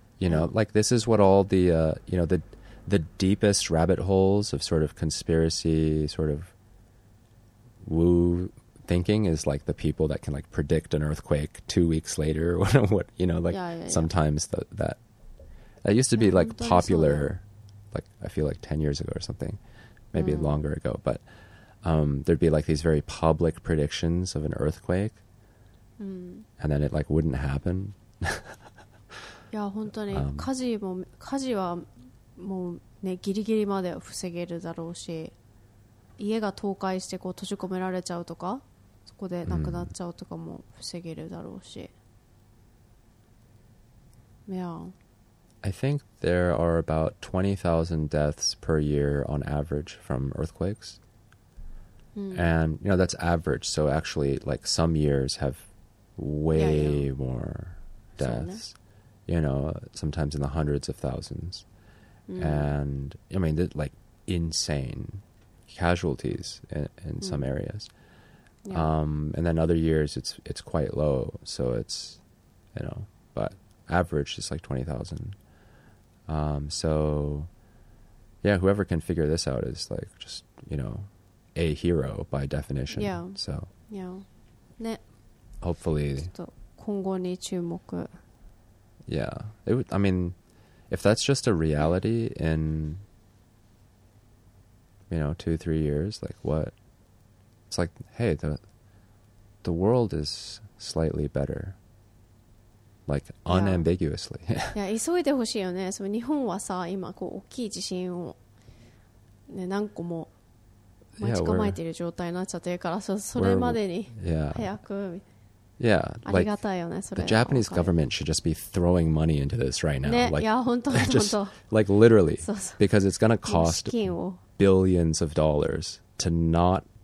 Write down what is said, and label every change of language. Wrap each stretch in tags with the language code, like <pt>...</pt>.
<en>You know, like this is what all the, you know, the deepest rabbit holes of sort of conspiracy, sort of woo thinking is like the people that can like predict an earthquake 2 weeks later or what you know like sometimes that used to be like popular like I feel like 10 years ago or something maybe longer ago but there'd be like these very public predictions of an earthquake and then it like wouldn't happen</en> <ja>yeah 本当に火事はもうねギリギリまで防げるだろうし家が倒壊してこう閉じ込められちゃうとかそこで亡くなっちゃうとかも防げるだろうし、yeah.</ja> <en>I think there are about 20,000 deaths per year on average from earthquakes. And, you know, that's average. So actually, like, some years have way more deaths. So, you know, sometimes in the hundreds of thousands. And, I mean, like, insane casualties in some areas. And then other years it's quite low, so it's, you know, but average is like 20,000. So yeah, whoever can figure this out is like just, you know, a hero by definition. Yeah. So yeah. ね. Hopefully.</en> <ja>ちょっと今後に注目.</ja> <en>Yeah. I mean, if that's just a reality in, you know, 2-3 years, like what? It's like, hey, the world is slightly better. Like, unambiguously.</en> <ja>Yeah, 急いでほしいよね。その日本はさ、今こう大きい地震を、ね、何個も待ち構えている状態になっちゃってるから、それまでに早く。</ja> <en>Yeah,</en> <ja>ありがたいよね、それ。</ja> <en>The Japanese government should just be throwing money into this right now.</en> <ja>ね、いや、本当、本当。</ja> <en>Like, literally. Because it's going to cost billions of dollars to not...</en>